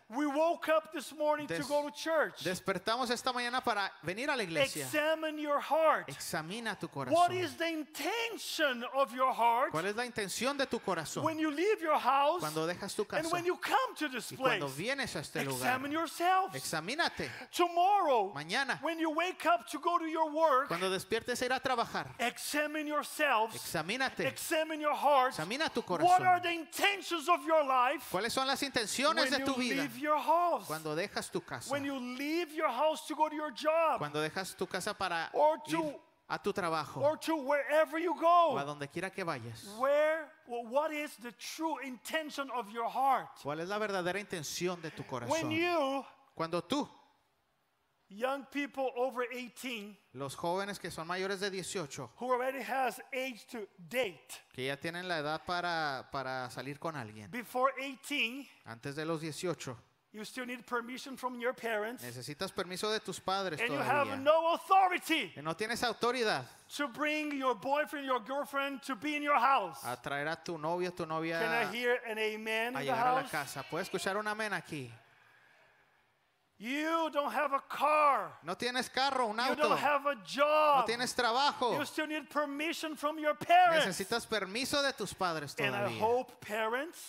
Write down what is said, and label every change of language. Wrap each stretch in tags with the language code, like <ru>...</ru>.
<en>We woke up this morning to go to church.</en> <es>Despertamos esta mañana para venir a la iglesia.</es> <en>Examine your heart.</en> <es>Examina tu corazón.</es> <en>What is the intention of your heart?</en> <es>¿Cuál es la intención de tu corazón?</es> <en>When you leave your house,</en> <es>cuando dejas tu casa,</es> <en>and when you come to this place,</en> <es>y cuando vienes a este lugar,</es> <en>examine yourself.</en> <es>Examínate.</es> <en>Tomorrow,</en> <es>mañana,</es> <en>when you wake up to go to your work,</en> <es>cuando despiertes a ir a trabajar,</es> <en>examine yourself.</en> <es>Examínate.</es> <en>Examine your heart.</en> <es>Examina tu corazón.</es> <en>What are the intentions of your life?</en> <es>¿Cuáles son las intenciones</es> <en>when</en> <es>de tu vida?</es> <en>Leave your house.</en> <es>Cuando dejas tu casa.</es> <en>When you leave your house to go to your job.</en> <es>Cuando dejas tu casa para</es> <en>or to,</en> <es>ir a tu trabajo.</es> <en>Or to wherever you go.</en> <es>O a donde quiera que vayas.</es> <en>Where, what is the true intention of your heart?</en> <es>¿Cuál es la verdadera intención de tu corazón?</es> <en>When you,</en> <es>cuando tú,</es> <en>young people over 18,</en> <es>los jóvenes que son mayores de 18,</es> <en>who already has age to date,</en> <es>que ya tienen la edad para salir con alguien,</es> <en>before 18,</en> <es>antes de los 18,</es> <en>you still need permission from your parents,</en> <es>necesitas permiso de tus padres,</es> <en>and</en> <es>todavía</es> <en>you have no authority,</en> <es>y no tienes autoridad,</es> <en>to bring your boyfriend, your girlfriend to be in your house,</en> <es>a traer a tu novio, tu novia,</es> <en>can I hear an amen,</en> <es>a llegar a la casa, puedes escuchar un amén aquí.</es> <en>You don't have a car.</en> <es>No tienes carro, un auto.</es> <en>You don't have a job.</en> <es>No tienes trabajo.</es> <en>You still need permission from your parents.</en> <es>Necesitas permiso de tus padres todavía.</es> <en>And I hope parents.</en>